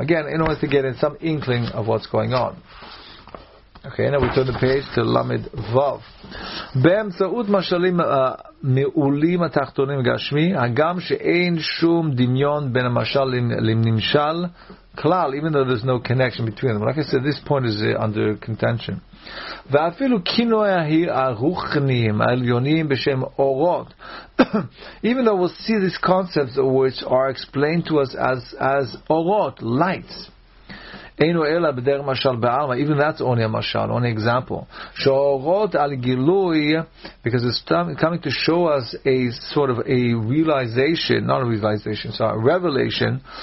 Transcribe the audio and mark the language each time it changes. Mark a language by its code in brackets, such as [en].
[en] Again, in order to get in some inkling of what's going on. Okay, now we turn the page to Lamed Vav. [he] באמצעות משלים מעולים התחתונים גשמי, הגם שאין שום דמיון בין המשל לנמשל, כלל, [en] even though there's no connection between them. Like I said, this point is under contention. [he] ואפילו כינוי הרוחניים העליונים בשם אורות, [en] even though we'll see these concepts which are explained to us as אורות, lights. [he] אינו אלא בדרך משל בעלמא, [en] even that's only a משל, only example. [he] שאורות על גילוי, [en] because it's coming to show us a sort of a realization, not a realization, sorry, a revelation,